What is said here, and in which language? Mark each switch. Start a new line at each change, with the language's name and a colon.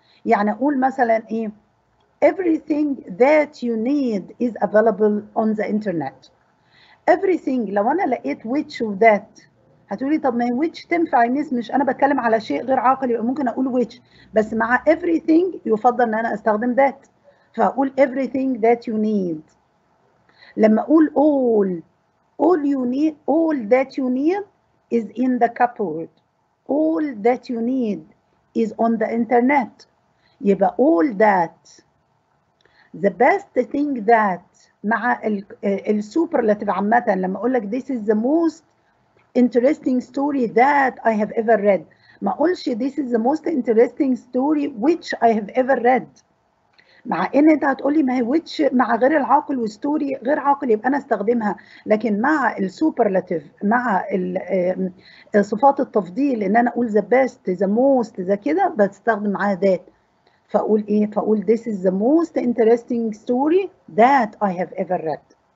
Arabic: يعني أقول مثلا إيه؟
English: Everything that you need is available on the internet. Everything.
Arabic: لو أنا لقيت which of that، هتقولي طب ما which تنفع الناس، مش أنا بتكلم على شيء غير عاقلي، يبقى ممكن أقول which. بس مع everything يفضل أن أنا أستخدم that، فأقول
English: everything that you need.
Arabic: لما أقول
English: all you need، all that you need is in the cupboard. All that you need is on the internet.
Arabic: يبقى
English: all that. The best thing that
Arabic: مع ال
English: superlative
Arabic: عامة. لما أقول لك
English: this is the most interesting story that I have ever read، ما اقولش this is the most interesting story which I have ever read.
Arabic: مع ان انت هتقولي ما هي which مع غير العاقل وستوري غير عاقل يبقى انا استخدمها، لكن مع السوبرلاتيف مع صفات التفضيل ان انا اقول the best the most ذا كده بستخدم معاها that. فاقول ايه؟ فاقول
English: this is the most interesting story that I have ever read.